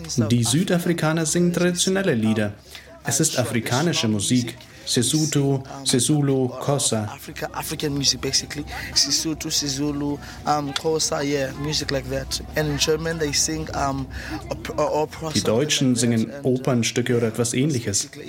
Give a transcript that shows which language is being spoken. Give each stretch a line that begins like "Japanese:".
German: Die Südafrikaner singen traditionelle Lieder. Es ist afrikanische Musik. Sesotho, Sesulu, Xhosa.
English: African music basically. Sesotho, Sesulu, Xhosa, yeah, music like that. And in German they sing opera.
German: Die Deutschen singen Opernstücke oder etwas Ähnliches.